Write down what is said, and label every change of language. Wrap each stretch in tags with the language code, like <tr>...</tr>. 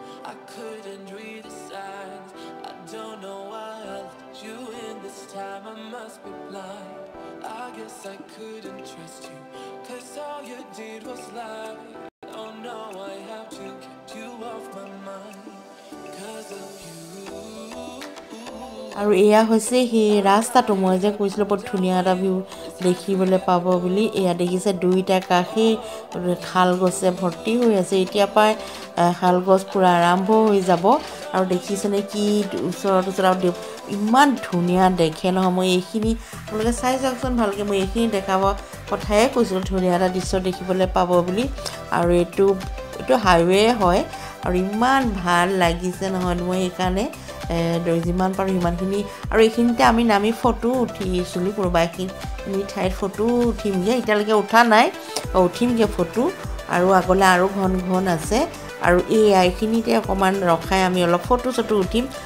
<en>I couldn't read the signs, I don't know why I left you in this time. must be blind. I guess I couldn't trust you, 'cause all you did was lie. Oh no, I have to keep you off my mind, 'cause of you.</en> <as>আৰু এয়া হৈছে সেই ৰাস্তাটো, মই যে কৈছিলোঁ বহুত ধুনীয়া এটা ভিউ দেখিবলৈ পাব বুলি। এয়া দেখিছে দুইটা কাষে শাল গছে ভৰ্তি হৈ আছে, এতিয়া পৰাই শাল গছ পূৰা আৰম্ভ হৈ যাব। আৰু দেখিছেনে কি ওচৰত ওচৰত আৰু দিওঁ, ইমান ধুনীয়া দেখে নহয়। মই এইখিনি আপোনালোকে চাই চাওকচোন ভালকৈ, মই এইখিনি দেখাব কথাই কৈছিলোঁ, ধুনীয়া এটা দৃশ্য দেখিবলৈ পাব বুলি। আৰু এইটো এইটো হাইৱে হয় আৰু ইমান ভাল লাগিছে নহয়, মই সেইকাৰণে যিমান পাৰোঁ সিমানখিনি। আৰু এইখিনিতে আমি নামি ফটো উঠিছিলোঁ, কোনোবা এইখিনি ঠাইত ফটো উঠিমগৈ, এতিয়ালৈকে উঠা নাই, উঠিমগৈ ফটো। আৰু আগলৈ আৰু ঘন ঘন আছে, আৰু এইখিনিতে অকণমান ৰখাই আমি অলপ ফটো চটো উঠিম।</as>